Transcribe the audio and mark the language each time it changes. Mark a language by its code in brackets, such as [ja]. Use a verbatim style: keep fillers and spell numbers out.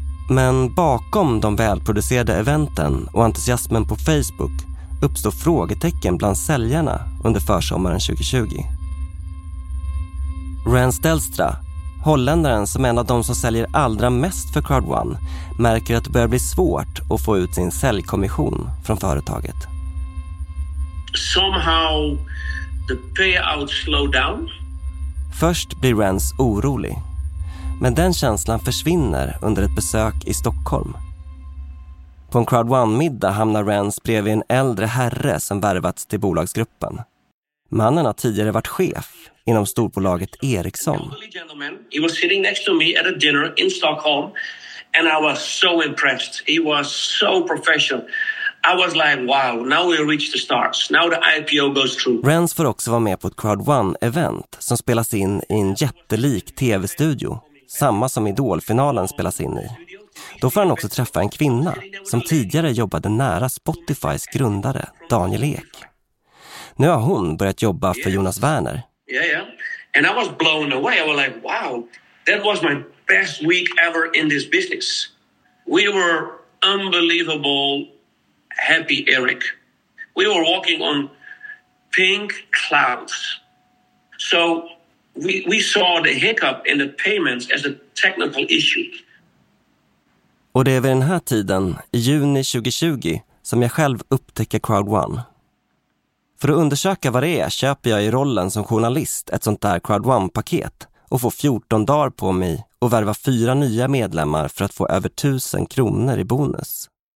[sv] Men bakom de välproducerade eventen och entusiasmen på Facebook uppstår frågetecken bland säljarna under försommaren tjugotjugo. Rens Delstra, holländaren som är en av de som säljer allra mest för CrowdOne, märker att det börjar bli svårt att få ut sin säljkommission från företaget. [en] Somehow the payout slowed down. [sv] Först blir Rens orolig. Men den känslan försvinner under ett besök i Stockholm. På en CrowdOne-middag hamnar Rens bredvid en äldre herre som värvats till bolagsgruppen. Mannen har tidigare varit chef inom storbolaget Ericsson. [en] He was sitting next to me at a dinner in Stockholm and I was so impressed. He was so professional. I was like, wow, now we reach the stars. Now the I P O goes through. [sv] Rens får också vara med på ett CrowdOne-event som spelas in i en jättelik tv-studio. Samma som Idol-finalen spelas in i. Då får han också träffa en kvinna som tidigare jobbade nära Spotifys grundare Daniel Ek. Nu har hon börjat jobba för Jonas Werner. [en] Yeah, yeah. And I was blown away. I was like, wow, that was my best week ever in this business. We were unbelievable happy, Eric. We were walking on pink clouds. So we we saw the hiccup in the payments as a technical issue. [sv] Och det är vid den här tiden, i juni tjugotjugo, som jag själv upptäcker CrowdOne. För att undersöka vad det är köper jag i rollen som journalist ett sånt där CrowdOne-paket och får fjorton dagar på mig och värva fyra nya medlemmar för att få över tusen kronor i bonus.